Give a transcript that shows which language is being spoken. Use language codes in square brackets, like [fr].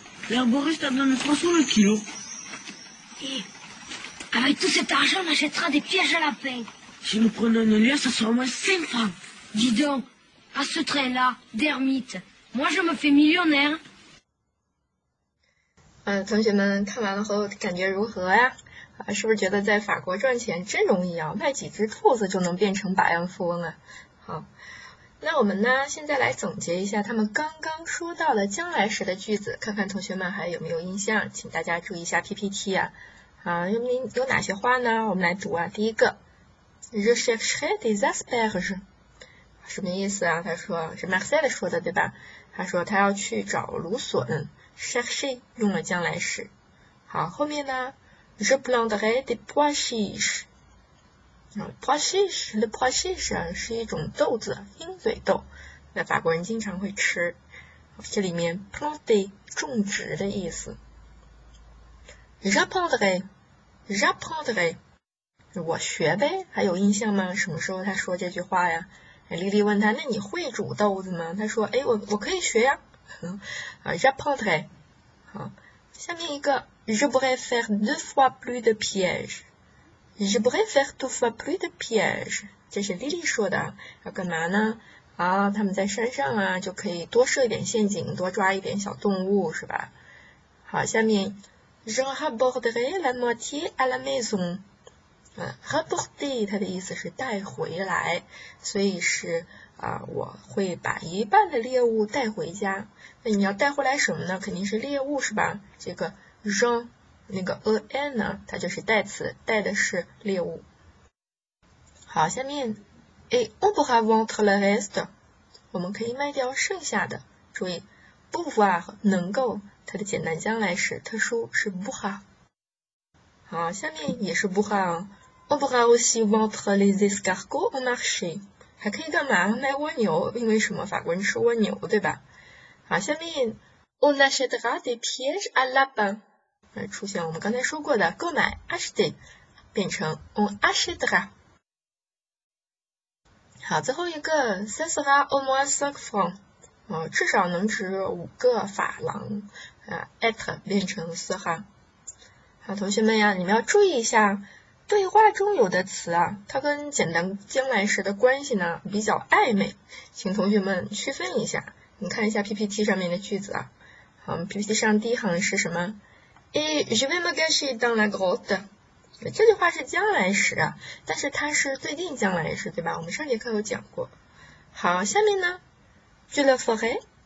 [fr] L'herboriste a donné 3 sous le kilo. Et avec tout cet argent, on achètera des pièges à lapin. Si nous prenons une liasse, ça sera au moins 5 francs. Dis donc, à ce train-là, d'ermite, moi je me fais millionnaire. [zh] 同学们看完了后感觉如何呀？啊，是不是觉得在法国赚钱真容易啊？卖几只兔子就能变成百万富翁啊？好，那我们呢，现在来总结一下他们刚刚说到的将来时的句子，看看同学们还有没有印象，请大家注意一下 PPT 啊。啊，有哪些话呢？我们来读啊。第一个， [fr] Je chercherai des asperges， [zh] 什么意思啊？他说是 Marcel 说的，对吧？他说他要去找芦笋，chercher 用了将来时。好，后面呢？ Je planterai des pois chiches. [fr] Pois chiches, le pois chiches [zh] 是一种豆子，鹰嘴豆，那法国人经常会吃。这里面 planter 种植的意思。 [fr] Je planterai, [zh] 我学呗，还有印象吗？什么时候他说这句话呀？丽丽问他，那你会煮豆子吗？他说，哎，我可以学呀。 [fr] Je planterai， [zh] 好，下面一个。 [fr] Je pourrais faire deux fois plus de pièges. Je pourrais faire deux fois plus de pièges. [zh] 这是莉莉说的，要干嘛呢？啊，他们在山上啊，就可以多设一点陷阱，多抓一点小动物，是吧？好，下面 [fr] Je rapporterai la moitié à la maison. [zh] Rapporter 它的意思是带回来，所以是我会把一半的猎物带回家。那你要带回来什么呢？肯定是猎物，是吧？这个。Jean 那个 en 呢，它就是代词，代的是猎物。好，下面 [fr] et on pourra vendre le reste， [zh] 我们可以卖掉剩下的。注意 pouvoir 能够，它的简单将来时特殊是 pouvoir。好，下面也是 pouvoir。 [fr] On pourra aussi vendre les escargots au marché。 [zh] 还可以干嘛？卖蜗牛，因为什么？法国人吃蜗牛，对吧？好，下面 [fr] on achètera des pièges à lapin。 [zh] 出现我们刚才说过的购买 acheter， 变成 on achètera。好，最后一个 [fr] ça sera au moins 5 francs。 [zh] 至少能值五个法郎。 être 变成 sera。好，同学们呀，你们要注意一下。对话中有的词啊，它跟简单将来时的关系呢比较暧昧，请同学们区分一下。你看一下 PPT 上面的句子啊，PPT 上第一行是什么 ？ [fr] Et je vais me cacher dans la grotte。 [zh] 这句话是将来时啊，但是它是最近将来时，对吧？我们上节课有讲过。好，下面呢 ， [fr] Je le ferai。